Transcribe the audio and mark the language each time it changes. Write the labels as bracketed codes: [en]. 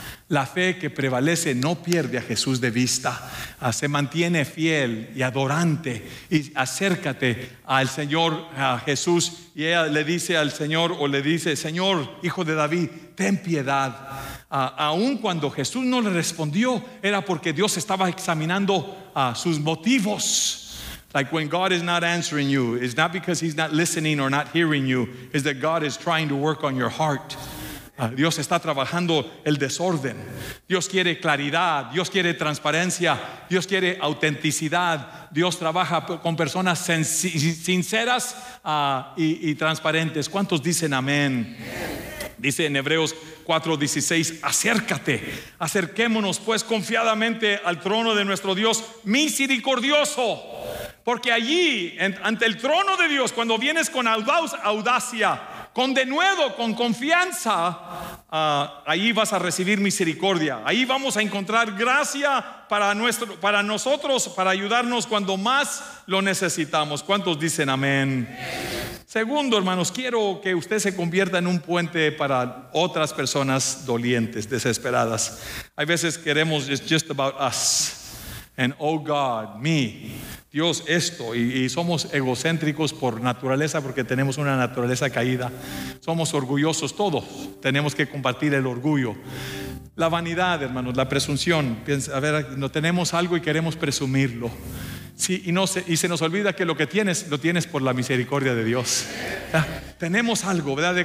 [es] La fe que prevalece no pierde a Jesús de vista, se mantiene fiel y adorante. Y acércate al Señor, a Jesús, y ella le dice al Señor, o le dice, Señor, hijo de David, ten piedad. Aún cuando Jesús no le respondió, era porque Dios estaba examinando sus motivos. [en] Like when God is not answering you, it's not because he's not listening or not hearing you, it's that God is trying to work on your heart. [es] Dios está trabajando el desorden. Dios quiere claridad. Dios quiere transparencia. Dios quiere autenticidad. Dios trabaja con personas sinceras y transparentes. ¿Cuántos dicen amén? Dice en Hebreos 4:16, acércate, acerquémonos pues confiadamente al trono de nuestro Dios misericordioso. Porque allí, ante el trono de Dios, cuando vienes con audacia, con denuedo, con confianza, ahí vas a recibir misericordia. Ahí vamos a encontrar gracia para nosotros, para ayudarnos cuando más lo necesitamos. ¿Cuántos dicen amén? Sí. Segundo, hermanos, quiero que usted se convierta en un puente para otras personas dolientes, desesperadas. Hay veces queremos, [en] it's just about us. And oh God, me. [es] Dios esto, y somos egocéntricos por naturaleza porque tenemos una naturaleza caída. Somos orgullosos todos, tenemos que compartir el orgullo. La vanidad, hermanos, la presunción. Piensa, a ver, no tenemos algo y queremos presumirlo. Sí, y se nos olvida que lo que tienes, lo tienes por la misericordia de Dios. Tenemos algo, ¿verdad?